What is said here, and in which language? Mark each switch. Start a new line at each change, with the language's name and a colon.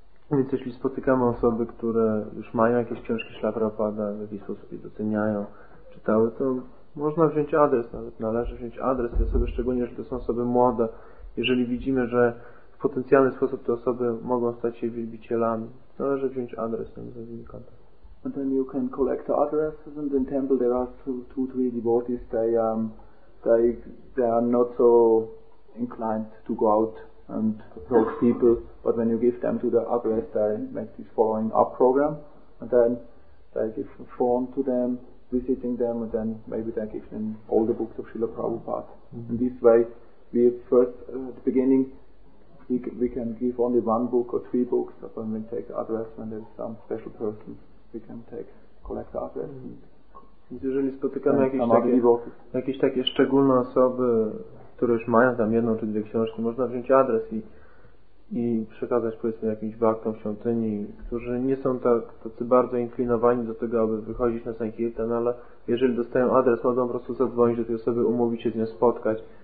Polish: Więc jeśli spotykamy osoby, które już mają jakieś książki Śla Prabhupada, w jakiś sposób je doceniają, czytały, to można wziąć adres, nawet należy wziąć adres tej osoby, szczególnie jeżeli to są osoby młode. Jeżeli widzimy, że w potencjalny sposób te osoby mogą stać się wielbicielami, należy wziąć adres tam za kontakt.
English: And then you can collect the addresses and in temple there are two, three devotees, they are not so inclined to go out and approach people, but when you give them to the address, they make this following up program, and then they give a form to them, visiting them, and then maybe they give them all the books of Srila Prabhupada. Mm-hmm. And this way, we first, at the beginning, we can give only one book or 3 books, but when we take the address, when there's some special person, we can collect the address. Mm-hmm.
Polish: Więc jeżeli spotykamy jakieś takie szczególne osoby, które już mają tam jedną czy dwie książki, można wziąć adres i przekazać powiedzmy jakimś baktom w świątyni, którzy nie są tacy bardzo inklinowani do tego, aby wychodzić na sankirtan, ale jeżeli dostają adres, mogą po prostu zadzwonić do tej osoby, umówić się z nią, spotkać.